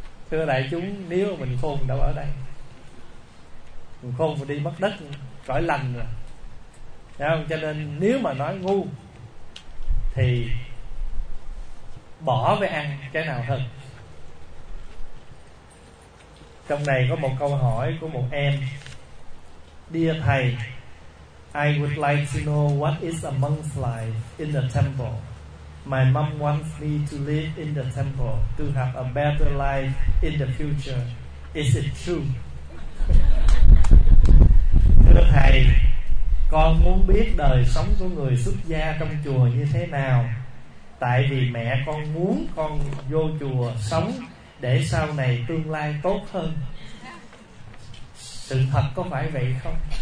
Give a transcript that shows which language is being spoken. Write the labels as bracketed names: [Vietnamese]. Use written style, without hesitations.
[Vietnamese] Thưa đại chúng, nếu mình khôn đâu ở đây. Mình khôn mình đi mất đất cõi lành rồi. Thấy không? Cho nên nếu mà nói ngu thì bỏ về ăn cái nào hơn. Trong này có một câu hỏi của một em. [English] Dear thầy, I would like to know what is a monk's life in the temple. My mom wants me to live in the temple to have a better life in the future. Is it true? [Vietnamese] Thưa thầy, con muốn biết đời sống của người xuất gia trong chùa như thế nào. Tại vì mẹ con muốn con vô chùa sống để sau này tương lai tốt hơn. Sự thật có phải vậy không?